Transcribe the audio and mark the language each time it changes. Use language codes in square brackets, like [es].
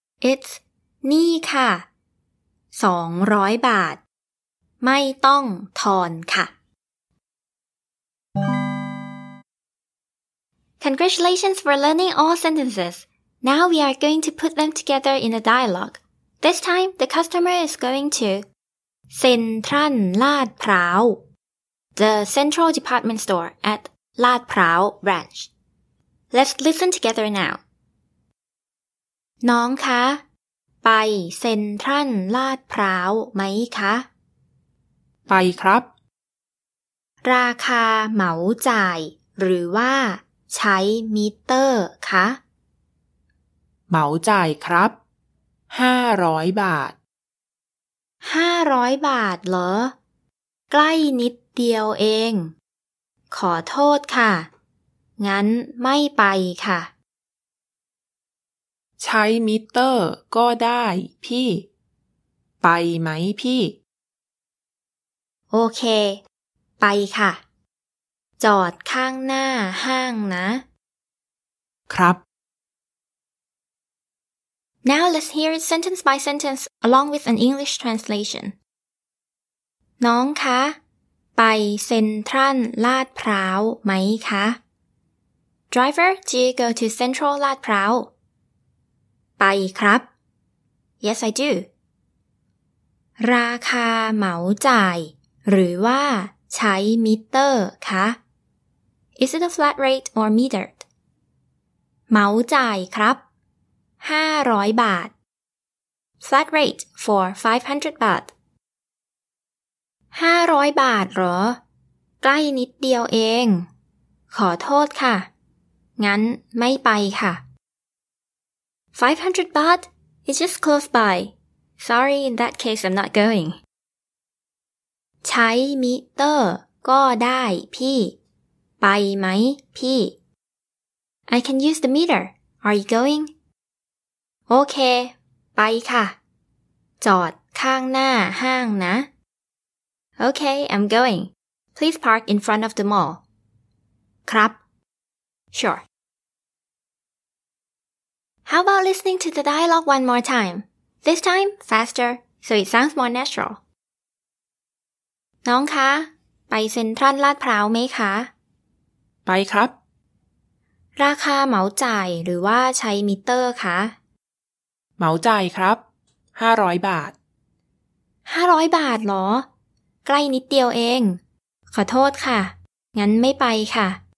[en] It's [th] นี่ค่ะ200บาทไม่ต้องทอนค่ะ [en] Congratulations for learning all sentences. Now we are going to put them together in a dialogue. This time, the customer is going to Central Lad Prao, the central department store at Lad Prao branch. Let's listen together now. [th] น้องคะไปเซ็นทรัลลาดพร้าวไหมคะ ไปครับ ราคาเหมาจ่ายหรือว่าใช้มิเตอร์คะ เหมาจ่ายครับ500บาท 500บาทเหรอใกล้นิดเดียวเองขอโทษค่ะงั้นไม่ไปค่ะ ใช้มิเตอร์ก็ได้พี่ไปไหมพี่โอเคไปค่ะจอดข้างหน้าห้างนะ ครับ [en] Now let's hear it sentence by sentence along with an English translation [th] น้องคะไปเซ็นทรัลลาดพร้าวไหมคะ [en] Driver, do you go to Central Lad Prao? [th] ไปครับ [en] Yes, I do. [th] ราคาเหมาจ่ายหรือว่าใช้มิเตอร์คะ [en] Is it a flat rate or metered? [th] เหมาจ่ายครับ500บาท [en] Flat rate for 500 baht. [th] 500บาทเหรอใกล้นิดเดียวเองขอโทษค่ะงั้นไม่ไปค่ะ [en] 500 baht? It's just close by. Sorry, in that case, I'm not going. [th] ใช้มิเตอร์ก็ได้พี่ไปไหมพี่ [en] I can use the meter. Are you going? [th] โอเคไปค่ะจอดข้างหน้าห้างนะ [en] Okay, I'm going. Please park in front of the mall. [th] ครับ [en] Sure. How about listening to the dialogue one more time? This time, faster, so it sounds more natural. [th] น้องคะไปเซ็นทรัลลาดพร้าวไหมคะ ไปครับ ราคาเหมาจ่ายหรือว่าใช้มิเตอร์คะ เหมาจ่ายครับ500บาท 500บาทเหรอใกล้นิดเดียวเองขอโทษค่ะงั้นไม่ไปค่ะ